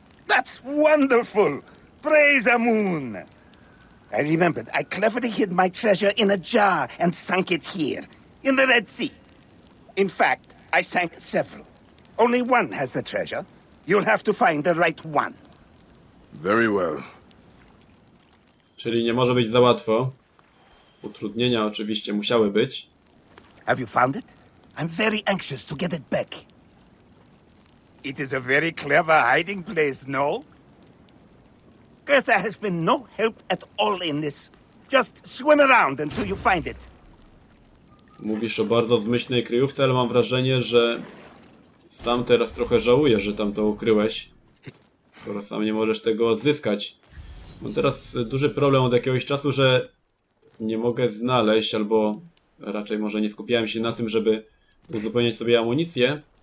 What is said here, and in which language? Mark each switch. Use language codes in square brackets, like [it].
[en] That's wonderful! Praise the moon! I remembered I cleverly hid my treasure in a jar and sunk it here, in the Red Sea. In fact, I sank several. Only one has the treasure. You'll have to find the right one. Very well. [pl] Czyli nie może być za łatwo. Utrudnienia oczywiście musiały być. [en] Have you found it? I'm very anxious to get it back. It is a very clever hiding place, no? Goethe has been no help at all in this. Just swim around until you find it. [pl] Mówisz o bardzo zmyślnej kryjówce, ale mam wrażenie, że sam teraz trochę żałuję, że tam to ukryłeś. Skoro sam nie możesz tego odzyskać. Mam teraz duży problem od jakiegoś czasu, że nie mogę znaleźć, albo raczej może nie skupiałem się na tym, żeby uzupełniać sobie amunicję.